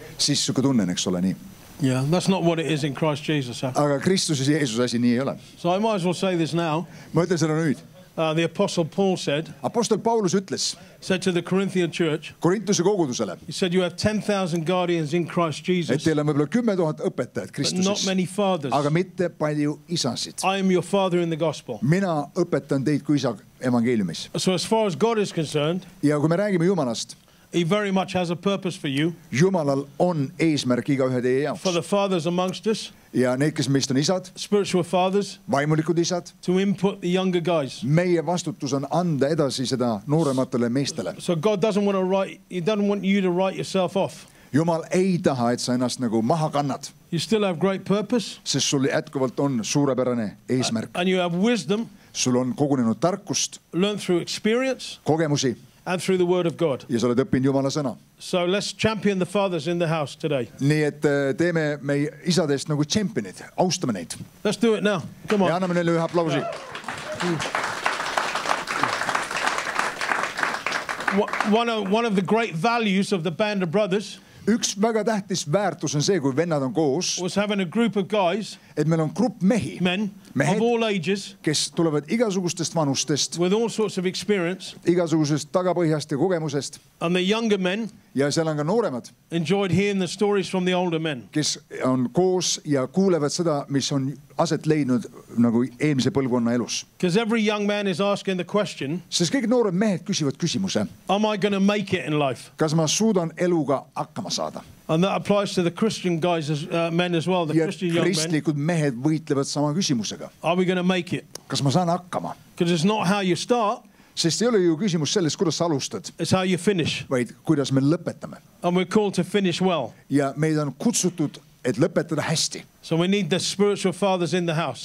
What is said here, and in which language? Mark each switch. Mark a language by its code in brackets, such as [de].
[et] Siis suga tunnen, eks ole nii. [en] Yeah, that's not what it is in Christ Jesus. [et] Aga Kristuses Jeesus asi nii ei ole. [en] So I might as well say this now. [et] Ma ütlen seda nüüd. [en] The Apostle Paul said. [et] Apostel Paulus ütles. [en] Said to the Corinthian church. [et] Korintuse kogudusele. [en] He said you have 10,000 guardians in Christ Jesus. [et] Et teil on võibolla 10,000 õpetajat Kristuses. [en] But not many fathers. [et] Aga mitte palju isasid. [en] I am your father in the gospel. [et] Mina õpetan teid kui isa evangeeliumis. [en] So as far as God is concerned. [et] Ja kui me räägime Jumalast. [en] He very much has a purpose for you. [et] Jumalal on eesmärk iga ühe teie jaoks. [en] For the fathers amongst us. [et] Ja need, kes meist on isad. [en] Spiritual fathers. [et] Vaimulikud isad. [en] To input the younger guys. [et] Meie vastutus on anda edasi seda noorematele meestele. [en] So God doesn't want to write, he doesn't want you to write yourself off. [et] Jumal ei taha, et sa ennast nagu maha kannad. [en] You still have great purpose. [et] Sest sul jätkuvalt on suurepärane eesmärk. [en] And you have wisdom. [et] Sul on kogunenud tarkust. [en] Learn through experience. [et] Kogemusi. [en] And through the word of God. [et] Ja sa oled õppinud Jumala sõna. [en] So let's champion the fathers in the house today. [et] Nii et teeme me isadest nagu championid. Austame neid. [en] Let's do it now. Come on. [et] Ja anname neile ühe aplausi. [en] One of the great values of the band of brothers. [et] Üks väga tähtis väärtus on see, kui vennad on koos. [en] Was having a group of guys. [et] Et meil on grupp mehi. [en] Men. [et] Mehed, [en] of all ages, [et] kes tulevad igasugustest vanustest, [en] with all sorts of experience, [et] igasugusest tagapõhjast ja kogemusest, [en] and the younger men, [et] ja seal on ka nooremad, [en] enjoyed hearing the stories from the older men, [et] kes on koos ja kuulevad seda, mis on aset leidnud nagu eelmise põlvkonna elus. [en] Because every young man is asking the question, [et] sest kõik noored mehed küsivad küsimuse, [en] am I going to make it in life? [et] Kas ma suudan eluga hakkama saada? [en] And that applies to the Christian guys as men as well, the [et] ja [en] Christian young [et] kristlikud [en] men. [et] Mehed võitlevad sama küsimusega. [en] Are we going to make it? [et] Kas ma saan hakkama? [en] Because it's not how you start. [et] Sest ei ole ju küsimus selles, kuidas sa alustad. [en] It's how you finish. [et] Vaid kuidas me lõpetame. [en] And we're called to finish well. [et] Ja meid on kutsutud, et lõpetada hästi. [en] So we need the spiritual fathers in the house.